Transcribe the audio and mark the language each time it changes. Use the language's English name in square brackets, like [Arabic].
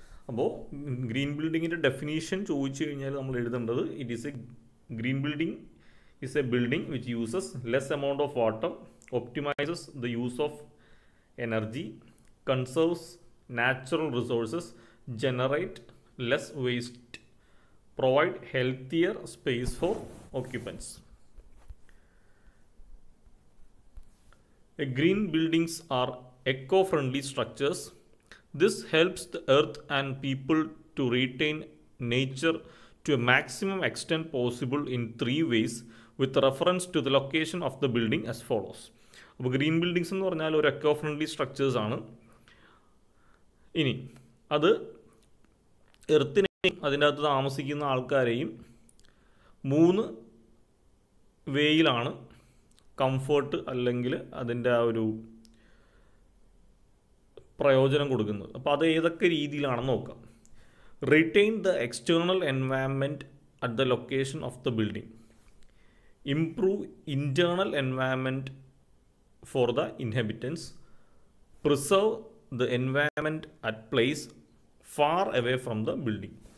[Malayalam] അപ്പോൾ ഗ്രീൻ ബിൽഡിങ്ങിൻ്റെ ഡെഫിനീഷൻ ചോദിച്ചു കഴിഞ്ഞാൽ നമ്മൾ എഴുതേണ്ടത് [English] It is a green building is a building which uses less amount of water, optimises the use of energy, conserves natural resources, generate less waste, provide healthier space for occupants. Green buildings are eco-friendly structures. This helps the earth and people to retain nature to a maximum extent possible in three ways with reference to the location of the building as follows. [Malayalam] അപ്പോൾ green buildings എന്ന് പറഞ്ഞാൽ ഒരു eco friendly structures ആണ്. ഇനി അത് എർത്തിനെയും അതിൻ്റെ അകത്ത് താമസിക്കുന്ന ആൾക്കാരെയും മൂന്ന് വേയിലാണ് കംഫേർട്ട് അല്ലെങ്കിൽ അതിൻ്റെ ആ ഒരു പ്രയോജനം കൊടുക്കുന്നത്. അപ്പോൾ അത് ഏതൊക്കെ രീതിയിലാണെന്ന് നോക്കാം. [English] Retain the external environment at the location of the building. Improve internal environment for the inhabitants, preserve the environment at place far away from the building.